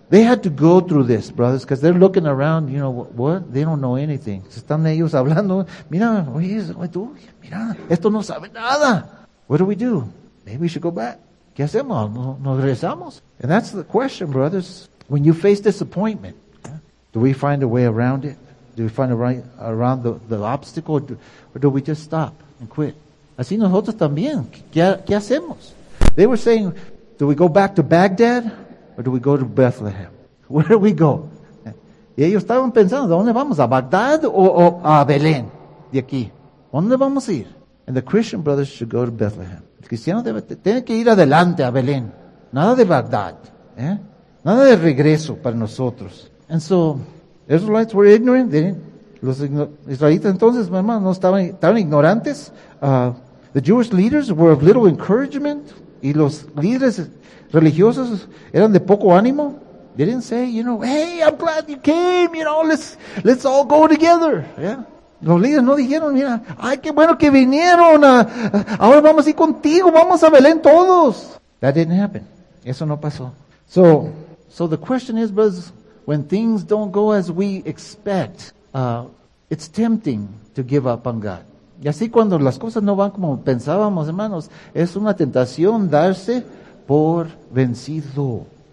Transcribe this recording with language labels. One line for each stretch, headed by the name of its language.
English: They had to go through this, brothers, because they're looking around, you know, what? They don't know anything.
Spanish: Están ellos hablando. Mira, oye, tú, mira, esto no sabe nada.
English: What do we do? Maybe we should go back.
Spanish: ¿Qué hacemos? ¿Nos regresamos?
English: And that's the question, brothers. When you face disappointment, do we find a way around it? Do we find a way around the obstacle? Or do we just stop and quit?
Spanish: Así nosotros también. ¿Qué hacemos?
English: They were saying, do we go back to Baghdad? Or do we go to Bethlehem? Where do we go?
Spanish: Y ellos estaban pensando, ¿dónde vamos? ¿A Bagdad o a Belén? De aquí. ¿Dónde vamos a ir?
English: And the Christian brothers should go to Bethlehem.
Spanish: El cristiano tiene que ir adelante a Belén. Nada de Bagdad. ¿Eh? Nada de regreso para nosotros.
English: And so, Israelites were ignorant, didn't they?
Spanish: Los israelitas entonces, hermanos, no estaban ignorantes.
English: The Jewish leaders were of little encouragement.
Spanish: Y los líderes religiosos eran de poco ánimo.
English: They didn't say, you know, hey, I'm glad you came, you know, let's all go together. Yeah.
Spanish: Los líderes no dijeron, mira, ay, qué bueno que vinieron. Ahora vamos a ir contigo, vamos a Belén todos.
English: That didn't happen.
Spanish: Eso no pasó.
English: So the question is, brothers, when things don't go as we expect, it's tempting to give up on God.
Spanish: Y así cuando las cosas no van como pensábamos, hermanos, es una tentación darse por vencido.